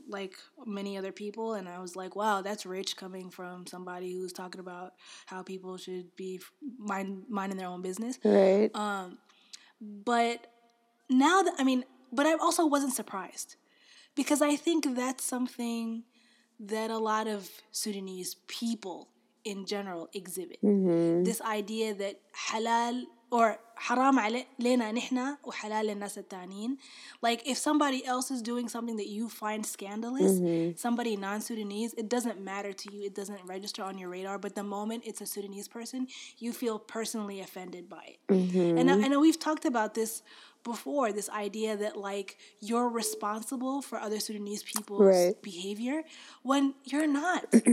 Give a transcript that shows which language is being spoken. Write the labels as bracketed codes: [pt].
[en] like many other people. And I was like, wow, that's rich coming from somebody who's talking about how people should be minding their own business. Right. But I also wasn't surprised, because I think that's something that a lot of Sudanese people in general exhibit. Mm-hmm. This idea that halal [ar] or حرام علينا نحنا وحلال الناس التانين. [en] Like, if somebody else is doing something that you find scandalous, somebody non-Sudanese, it doesn't matter to you. It doesn't register on your radar. But the moment it's a Sudanese person, you feel personally offended by it. And I know we've talked about this before, this idea that, like, you're responsible for other Sudanese people's behavior when you're not.